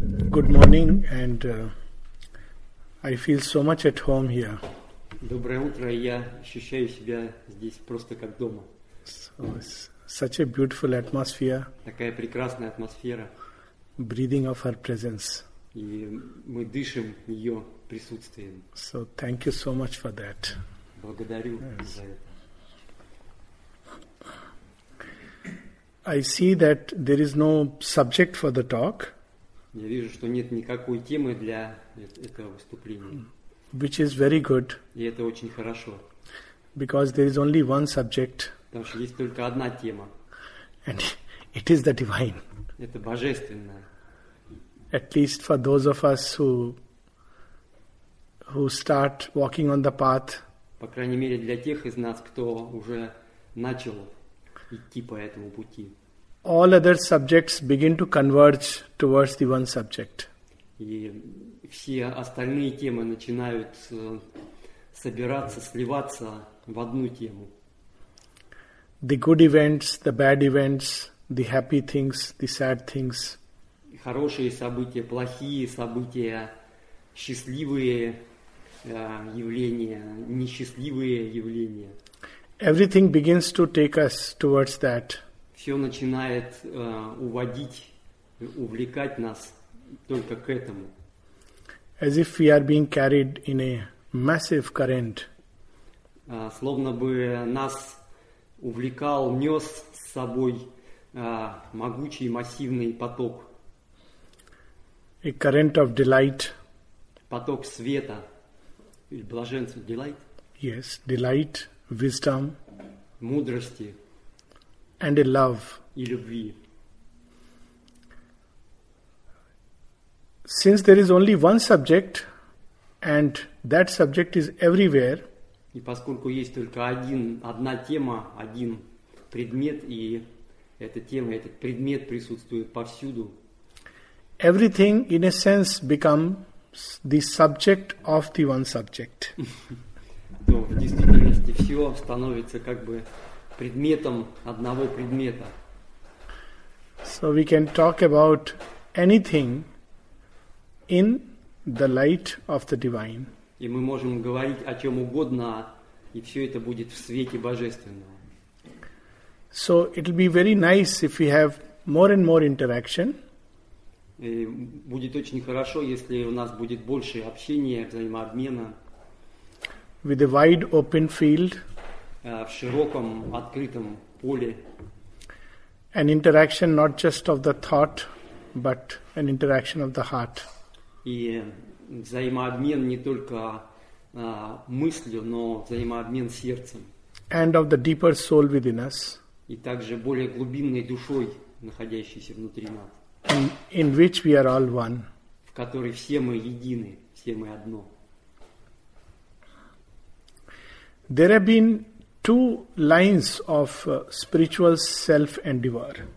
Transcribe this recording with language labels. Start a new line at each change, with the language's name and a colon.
English: good morning, and I feel so much at home here.
Russian: Доброе утро, я ощущаю себя здесь просто как дома.
English: So it's such a beautiful atmosphere.
Russian: Такая прекрасная атмосфера.
English: Breathing of her presence.
Russian: И мы дышим ее присутствием.
English: So thank you so much for that.
Russian: Благодарю за это.
English: I see that there is no subject for the talk.
Russian: Я вижу, что нет никакой темы для этого выступления.
English: Which is very good.
Russian: И это очень хорошо.
English: Because there is only one subject.
Russian: Потому что есть только одна тема.
English: And it is the divine.
Russian: Это божественное.
English: At least for those of us who start walking on the path.
Russian: По крайней мере для тех из нас, кто уже начал идти по этому пути.
English: All other subjects begin to converge towards the one subject.
Russian: И все остальные темы начинают собираться, сливаться в одну тему.
English: The good events, the bad events, the happy things, the sad things.
Russian: Хорошие события, плохие события, счастливые явления, несчастливые явления.
English: Everything begins to take us towards that.
Russian: Все начинает уводить, увлекать нас только к этому.
English: As if we are being carried in a massive current.
Russian: Словно бы нас увлекал, нес с собой могучий, массивный поток.
English: A current of delight.
Russian: Поток света. Блаженство, delight?
English: Yes, delight, wisdom.
Russian: Мудрости.
English: And a love.
Russian: И любви.
English: Since there is only one subject, and that subject is everywhere.
Russian: И поскольку есть только один, одна тема, один предмет, и эта тема, этот предмет присутствует повсюду.
English: Everything, in a sense, becomes the subject of the one subject.
Russian: То в действительности все становится как бы предметом одного предмета.
English: So we can talk about anything in the light of the divine.
Russian: И мы можем говорить о чем угодно, и все это будет в свете божественного.
English: So it'll be very nice if we have more and more interaction.
Russian: И будет очень хорошо, если у нас будет больше общения, взаимообмена.
English: With a wide open field.
Russian: В широком открытом поле.
English: An interaction not just of the thought, but an interaction of the heart.
Russian: И взаимообмен не только мыслью, но взаимообмен сердцем.
English: And of the deeper soul within us.
Russian: И также более глубинной душой, находящейся внутри нас.
English: In which we are all one.
Russian: В которой все мы едины, все мы одно.
English: There have been two lines of spiritual self-endeavor.